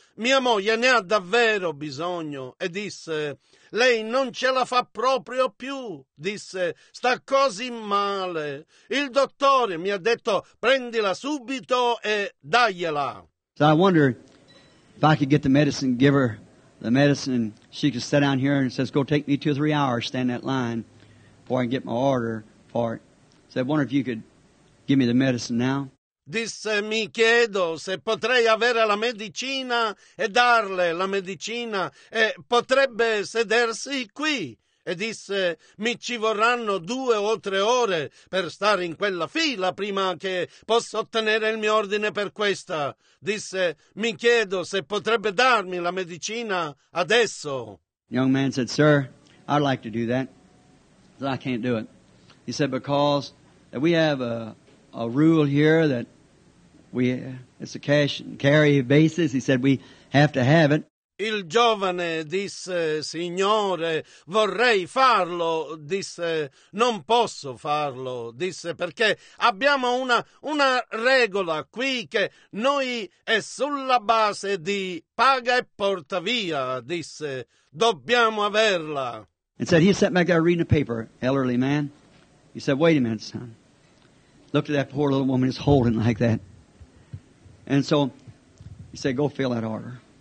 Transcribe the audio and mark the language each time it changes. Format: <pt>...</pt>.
<it>Mia moglie ne ha davvero bisogno. E disse, lei non ce la fa proprio più, disse, sta così male. Il dottore mi ha detto, prendila subito e dagliela.</it> <en>So I wonder if I could get the medicine, give her the medicine, and she could sit down here and says, go take me 2 or 3 hours, stand that line before I can get my order for it. So I wonder if you could give me the medicine now.</en> <it>Disse, mi chiedo se potrei avere la medicina e darle la medicina e potrebbe sedersi qui. E disse, mi ci vorranno 2 o 3 ore per stare in quella fila prima che possa ottenere il mio ordine per questa. Disse, mi chiedo se potrebbe darmi la medicina adesso.</it> <en>The young man said, sir, I'd like to do that. He said, I can't do it. He said, because that we have a rule here that we, it's a cash and carry basis. He said, we have to have it.</en> <it>Il giovane disse, signore, vorrei farlo, disse, non posso farlo, disse, perché abbiamo una regola qui che noi è sulla base di paga e porta via, disse, dobbiamo averla.</it> <en>And said, he sat back there reading a paper, elderly man. He said, wait a minute, son. Look at that poor little woman is holding like that. And so he said, go fill that order.</en>